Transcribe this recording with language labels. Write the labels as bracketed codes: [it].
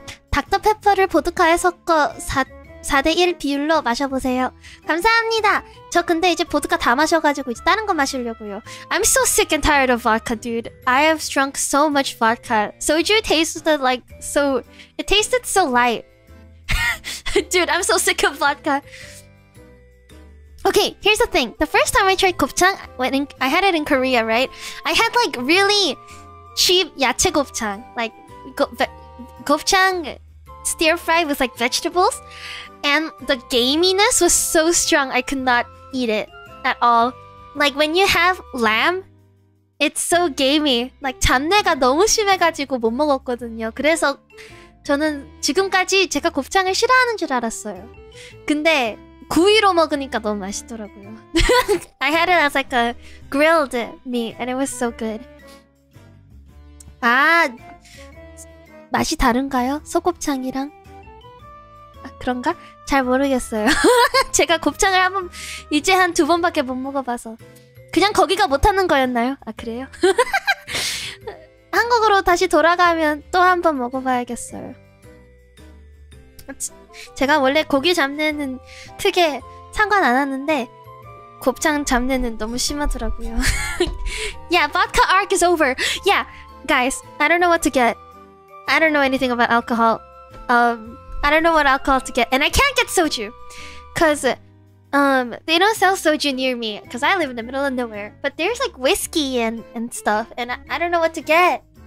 [ko] 닥터 페퍼를 보드카에 섞어 4대1 비율로 마셔보세요. 감사합니다. 저 근데 이제 보드카 다 마셔가지고 이제 다른 거 마시려고요. [en] I'm so sick and tired of vodka, dude. I have drunk so much vodka. Soju tasted like so... It tasted so light. Dude, I'm so sick of vodka. Okay, here's the thing. The first time I tried gopchang, I had it in Korea, right? I had like really cheap 야채 gopchang. Like... Gopchang stir fry with like vegetables, and the gaminess was so strong I could not eat it at all. Like when you have lamb, it's so gamey. [ko] Like 잡내가 너무 심해가지고 못 먹었거든요. 그래서 저는 지금까지 제가 곱창을 싫어하는 줄 알았어요. 근데 구이로 먹으니까 너무 맛있더라고요. [en] I had it as like a grilled meat, and it was so good. 아. [ko] 맛이 다른가요? 소곱창이랑? 아, 그렇군요. 그런가? 잘 모르겠어요. 제가 곱창을 한 번, 이제 한 두 번밖에 못 먹어봐서. 그냥 거기가 못하는 거였나요? 아, 그래요? 한국으로 다시 돌아가면 또 한 번 먹어봐야겠어요. 제가 원래 고기 잡내는 크게 상관 안 하는데 곱창 잡내는 너무 심하더라고요. [en] Yeah, vodka arc is over. Yeah, guys, I don't know what to get. I don't know anything about alcohol. I don't know what alcohol to get. And I can't get soju. Because they don't sell soju near me. Because I live in the middle of nowhere. But there's like whiskey and stuff. And I don't know what to get.